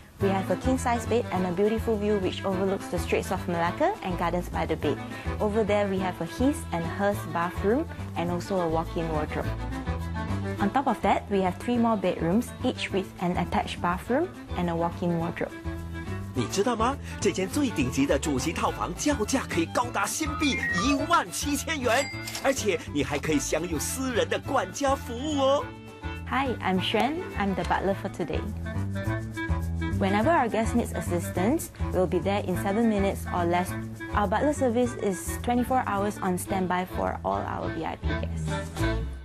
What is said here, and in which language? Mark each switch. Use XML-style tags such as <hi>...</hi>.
<en>We have a king-size bed and a beautiful view which overlooks the Straits of Malacca and Gardens by the Bay. Over there, we have a his and hers bathroom and also a walk-in wardrobe. On top of that, we have three more bedrooms, each with an attached bathroom and a walk-in wardrobe.</en> <zh>你知道吗? 这间最顶级的主席套房价格可以高达新币17000元, 而且你还可以享有私人的管家服务哦!</zh> <en>Hi, I'm Shen. I'm the butler for today. Whenever our guest needs assistance, we'll be there in 7 minutes or less. Our butler service is 24 hours on standby for all our VIP guests.</en>